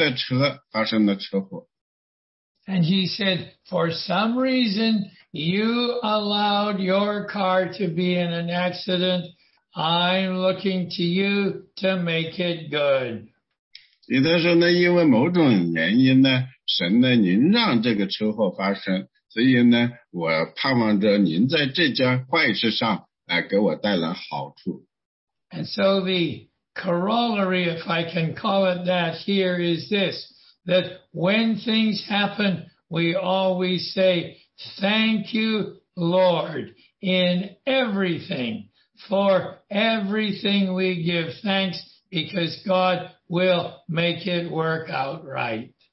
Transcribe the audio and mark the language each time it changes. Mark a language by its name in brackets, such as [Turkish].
[Chinese] 所以呢，他就来到主面前跟主祷告说：“主啊，对不起，我有个坏消息给您，因为您的车发生了车祸。” [English] And he said, for some reason, you allowed your car to be in an accident. I'm looking to you to make it good. [Chinese] 所以他说呢，因为某种原因呢，神呢，您让这个车祸发生，所以呢，我盼望着您在这件坏事上。 [English] And so the corollary, if I can call it that here, is this, that when things happen, we always say, thank you, Lord, in everything, for everything we give thanks, because God will make it work out right.